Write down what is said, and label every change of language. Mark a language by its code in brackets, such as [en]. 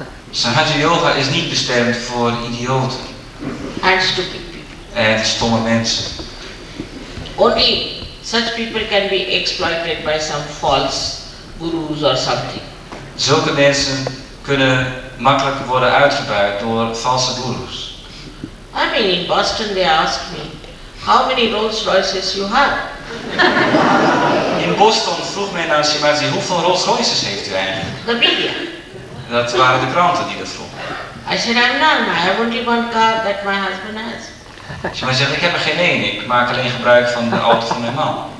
[nl] Sahaja Yoga is niet bestemd voor idioten. [en] And stupid people. [nl] En stomme mensen. [en] Only such people can be exploited by some false gurus or something. [nl] Zulke mensen kunnen makkelijk worden uitgebuit door valse gurus. [en] I mean, in Boston they asked me, how many Rolls Royces you have? [nl] In Boston vroeg men aan Shimazi, hoeveel Rolls Royces heeft u eigenlijk? [en] The media. [nl] Dat waren de kranten die dat vroegen. [en] I said, I'm none. I have only one car that my husband has. [nl] Shimazi zegt, ik heb er geen één. Ik maak alleen gebruik van de auto van mijn man.